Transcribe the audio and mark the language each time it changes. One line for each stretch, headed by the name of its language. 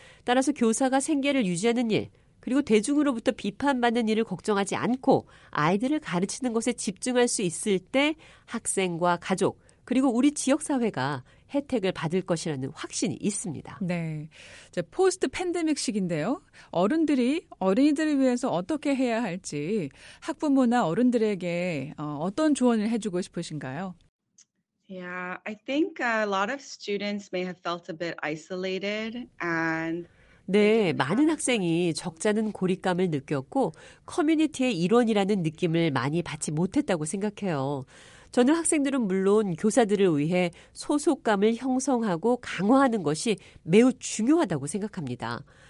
Korean: 따라서 교사가 생계를 유지하는 일, 그리고 대중으로부터 비판받는 일을 걱정하지 않고 아이들을 가르치는 것에 집중할 수 있을 때 학생과 가족, 그리고 우리 지역사회가 혜택을 받을 것이라는 확신이 있습니다. 네. 이제 포스트 팬데믹 시기인데요. 어른들이 어린이들을 위해서 어떻게 해야 할지 학부모나 어른들에게 어떤 조언을 해주고 싶으신가요?
English: Yeah, I think a lot of students may have felt a bit isolated and
Korean: 네, 많은 학생이 적잖은 고립감을 느꼈고 커뮤니티의 일원이라는 느낌을 많이 받지 못했다고 생각해요. 저는 학생들은 물론 교사들을 위해 소속감을 형성하고 강화하는 것이 매우 중요하다고 생각합니다.